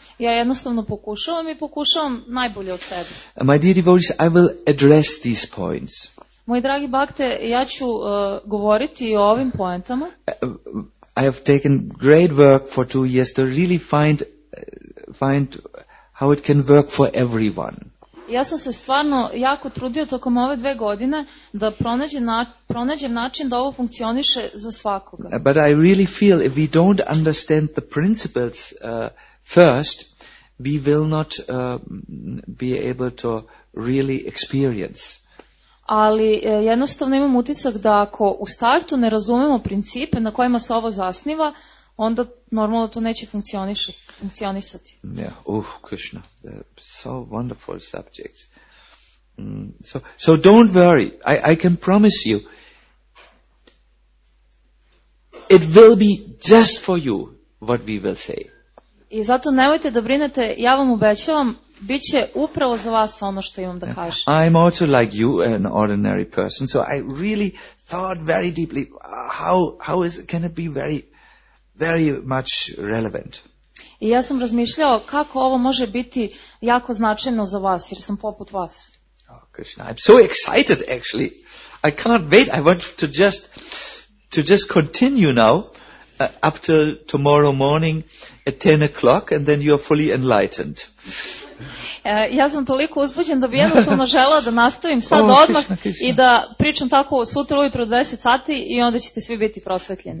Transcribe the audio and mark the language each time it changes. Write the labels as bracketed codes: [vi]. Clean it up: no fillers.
[sr] Ja jednostavno pokušavam i pokušavam najbolje od sebe. [en] My dear devotees, I will address these points. [sr] Moji dragi bakte, ja ću govoriti o ovim poentama. [en] I have taken great work for 2 years to really find how it can work for everyone. [sr] Ja sam se stvarno jako trudio tokom ove 2 godine da pronađem način da ovo funkcioniše za svakoga. [en] But I really feel if we don't understand the principles first, we will not be able to really experience. [sr] Ali jednostavno imam utisak da ako u startu ne razumemo principe na kojima se ovo zasniva, onda normalno to neće funkcionisati. [en] Yeah. Oh, Krishna, so wonderful subjects. So don't worry. I can promise you, it will be just for you what we will say. [sr] I zato nemojte da brinete, ja vam obećavam, bit će upravo za vas ono što imam da kažem. [en] I'm also like you, an ordinary person, so I really thought very deeply, can it be very, very much relevant? [sr] I ja sam razmišljao kako ovo može biti jako značajno za vas, jer sam poput vas. [en] Oh, Krishna, I'm so excited, actually. I cannot wait, I want to just continue now, up to tomorrow morning, at 10 o'clock and then you are fully enlightened. [sr] Ja sam toliko uzbuđen da bi jednostavno želao da nastavim sad odmah i da pričam tako sutra ujutro 10 sati i onda ćete svi biti prosvetljeni.